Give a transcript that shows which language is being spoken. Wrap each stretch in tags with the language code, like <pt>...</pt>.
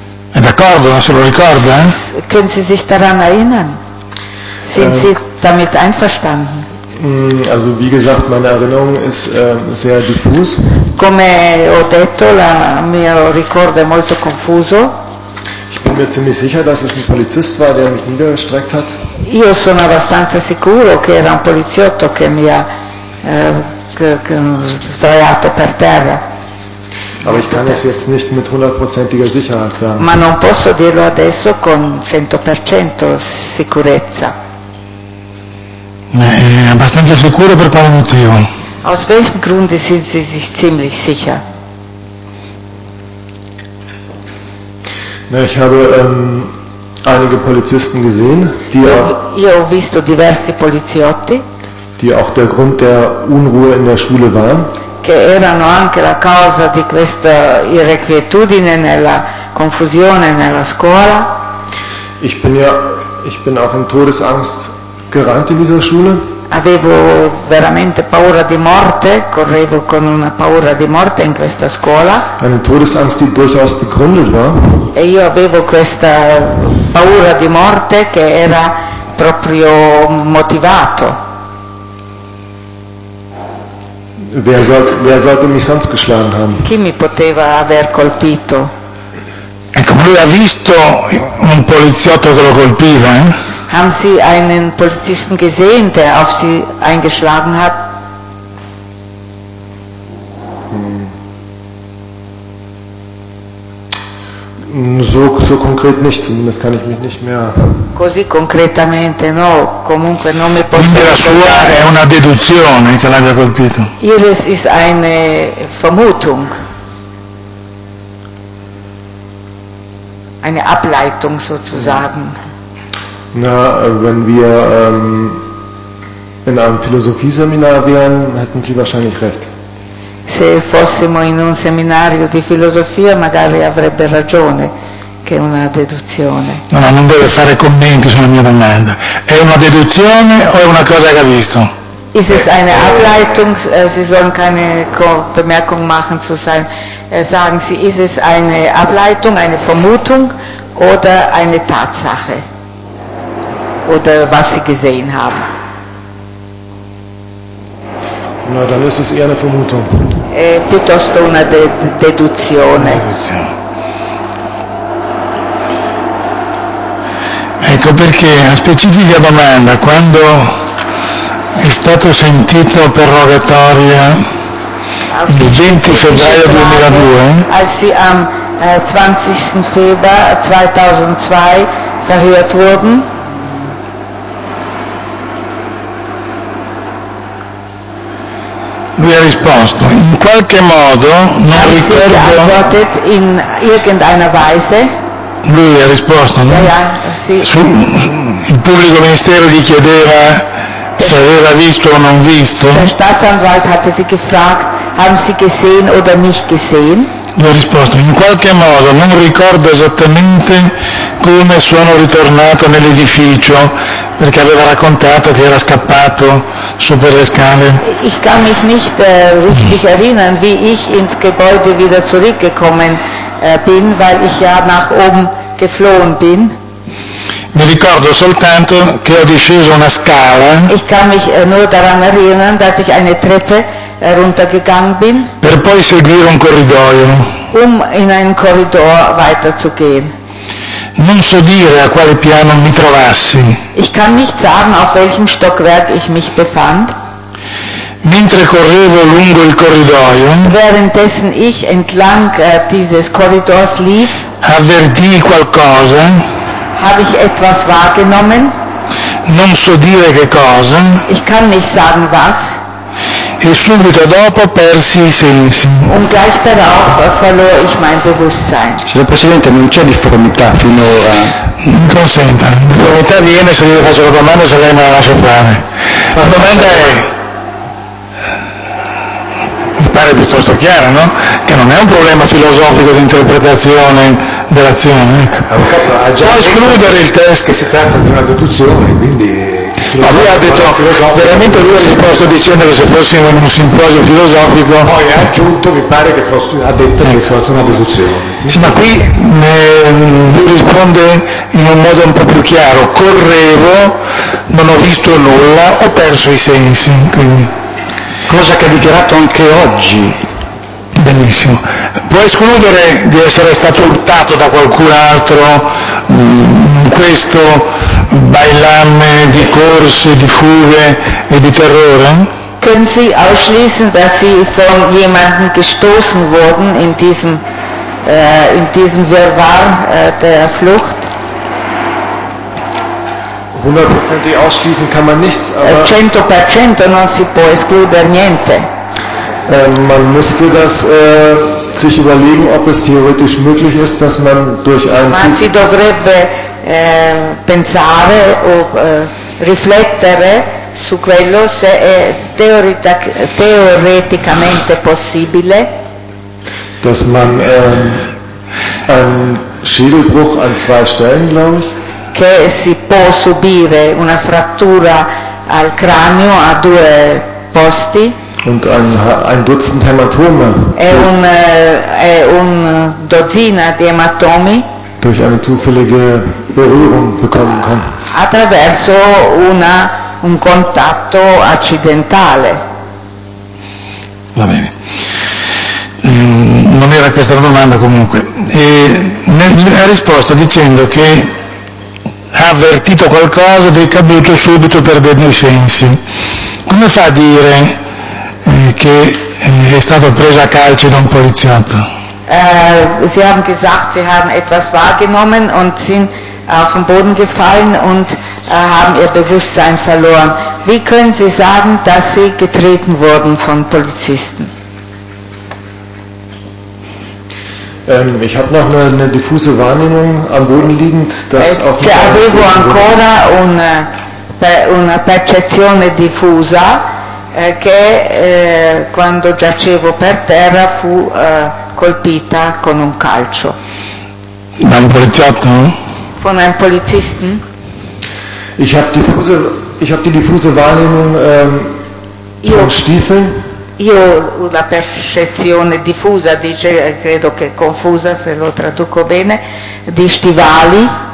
<it>È d'accordo, non se lo ricorda?</it> <de>Können Sie sich daran erinnern? Sind Sie damit einverstanden? Also wie gesagt, meine Erinnerung ist sehr diffus.</de> <it>Come ho detto, il mio ricordo è molto confuso.</it> <de>Ich bin mir ziemlich sicher, dass es ein Polizist war, der mich niedergestreckt hat.</de> <it>Io sono abbastanza sicuro che era un poliziotto che mi ha sdraiato per terra.</it> <de>Aber ich kann es jetzt nicht mit hundertprozentiger Sicherheit sagen.</de> <it>Ma non posso dirlo adesso con 100% sicurezza. Abbastanza sicuro per quale motivo?</it> <de>Aus welchem Grunde sind Sie sich ziemlich sicher? Na, ich habe einige Polizisten gesehen, die auch der Grund der Unruhe in der Schule waren.</de> <it>Che erano anche la causa di questa irrequietudine nella confusione nella scuola.</it> <de>Ich bin auch in Todesangst gerannt in dieser Schule.</de> <it>Avevo veramente paura di morte, correvo con una paura di morte in questa scuola.</it> <de>Eine Todesangst, die durchaus begründet war.</de> <it>E io avevo questa paura di morte che era proprio motivato.</it> <de>Wer sollte mich sonst geschlagen haben?</de> <it>Chi mi poteva aver colpito? Ecco, lui ha visto un poliziotto che lo colpiva,</it> <de>Haben Sie einen Polizisten gesehen, der auf Sie eingeschlagen hat? So konkret nicht, zumindest kann ich mich nicht mehr.</de> <it>Così concretamente no, comunque non mi posso. Quindi la sua è una deduzione che l'abbia colpito.</it> <de>Ihres ist eine Vermutung, eine Ableitung sozusagen. Na, wenn wir in einem Philosophieseminar wären, hätten Sie wahrscheinlich recht.</de> <it>Se fossimo in un seminario di filosofia, magari avrebbe ragione, che è una deduzione. No, non deve fare commenti sulla mia domanda. È una deduzione o è una cosa che ha visto?</it> <de>Ist es eine Ableitung? Sie sollen keine Bemerkung machen zu sein. Sagen Sie, ist es eine Ableitung, eine Vermutung oder eine Tatsache? Oder was Sie gesehen haben? Na, dann ist es eher eine Vermutung.</de> <it>Piuttosto una deduzione. Ecco perché, a specifica domanda, quando è stato sentito per rogatoria il 20 febbraio 2002,</it> <de>als sie am 20. Februar 2002 verhört wurden,</de> <it>lui ha risposto, in qualche modo, non ricordo,</it> <de>in irgendeiner Weise,</de> <it>lui ha risposto, no? Il pubblico ministero gli chiedeva se aveva visto o non visto.</it> <de>Der Staatsanwalt hatte sie gefragt, haben Sie gesehen oder nicht gesehen?</de> <it>Lui ha risposto, in qualche modo, non ricordo esattamente come sono ritornato nell'edificio, perché aveva raccontato che era scappato.</it> <de>Ich kann mich nicht richtig erinnern, wie ich ins Gebäude wieder zurückgekommen bin, weil ich ja nach oben geflohen bin.</de> <it>Mi ricordo soltanto che ho disceso una scala.</it> <de>Ich kann mich nur daran erinnern, dass ich eine Treppe runtergegangen bin,</de> <it>per poi seguire un corridoio.</it> <de>Um in einen Korridor weiterzugehen.</de> <it>Non so dire a quale piano mi trovassi.</it> <de>Ich kann nicht sagen, auf welchem Stockwerk ich mich befand.</de> <it>Mentre correvo lungo il corridoio,</it> <de>währenddessen ich entlang dieses Korridors lief,</de> <it>avvertii qualcosa.</it> <de>Habe ich etwas wahrgenommen?</de> <it>Non so dire che cosa.</it> <de>Ich kann nicht sagen was.</de> <it>e subito dopo persi i sensi.</it> <de>Und gleich darauf verlor ich mein Bewusstsein.</de> <it>Signor Presidente, non c'è difformità finora. Mi consenta, difformità viene se io faccio la domanda, se lei me la lascia fare. La domanda è, mi pare piuttosto chiara, no? Che non è un problema filosofico di interpretazione dell'azione, ecco. Ha già può escludere il testo. Che si tratta di una deduzione, quindi... Ma lui ha detto, veramente lui ha risposto dicendo che se fossimo in un simposio filosofico... Poi ha aggiunto, mi pare che fosse, ha detto che fosse una deduzione. Sì, ma qui lui risponde in un modo un po' più chiaro. Correvo, non ho visto nulla, ho perso i sensi, quindi... Cosa che ha dichiarato anche oggi. Benissimo. Può escludere di essere stato urtato da qualcun altro in questo bailamme di corse, di fughe e di terrore?</it> <de>Können Sie ausschließen, dass Sie von jemandem gestoßen wurden in diesem Wirrwarr der Flucht? 100% ausschließen kann man nichts, aber</de> <it>100% non si può escludere niente.</it> <de>Man müsste das sich überlegen, ob es theoretisch möglich ist, dass man durch einen</de> <it>Man si dovrebbe pensare o riflettere su quello se è teoreticamente possibile,</it> <de>dass man einen Schädelbruch an zwei Stellen, glaube ich,</de> <it>che si può subire una frattura al cranio a due posti.</it> <de>Und ein Dutzend Hämatome.</de> <it>È un dozzina di ematomi.</it> <de>Durch eine zufällige Berührung bekommen kann.</de> <it>Attraverso un contatto accidentale. Va bene. Non era questa la domanda comunque. Ha risposto dicendo che ha avvertito qualcosa ed è caduto subito perdendo i sensi. Come fa a dire che è stato preso a calci da un poliziotto?</it> <de>Sie haben gesagt, sie haben etwas wahrgenommen und sind auf den Boden gefallen und haben ihr Bewusstsein verloren. Wie können Sie sagen, dass Sie getreten wurden von Polizisten? Ich habe noch eine diffuse Wahrnehmung am Boden liegend, dass auch</de> <it>c'è avevo ancora una percezione diffusa che quando giacevo per terra fu colpita con un calcio. Da un poliziotto?</it> <de>Von einem Polizisten? Ich habe die diffuse Wahrnehmung von Stiefeln.</de> <it>Io una percezione diffusa, dice, credo che confusa se lo traduco bene, di stivali.</it>